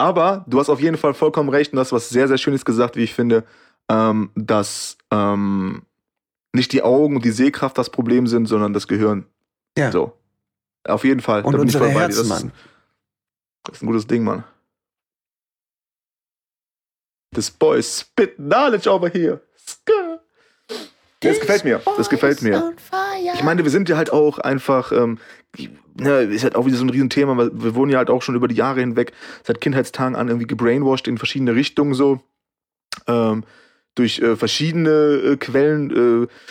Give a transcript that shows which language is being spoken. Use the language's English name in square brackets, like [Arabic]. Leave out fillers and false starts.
[German] Aber du hast auf jeden Fall vollkommen recht und hast was sehr, sehr Schönes gesagt, wie ich finde, dass nicht die Augen und die Sehkraft das Problem sind, sondern das Gehirn. Ja. So. Auf jeden Fall. Und unsere Herzen, bei dir. Mann. Das ist ein gutes Ding, Mann. [English] This boy spit knowledge over here. [German] Das gefällt mir. Ich meine, wir sind ja halt auch einfach, ist halt auch wieder so ein Riesenthema, weil wir wurden ja halt auch schon über die Jahre hinweg, seit Kindheitstagen an, irgendwie gebrainwashed in verschiedene Richtungen so, durch verschiedene Quellen.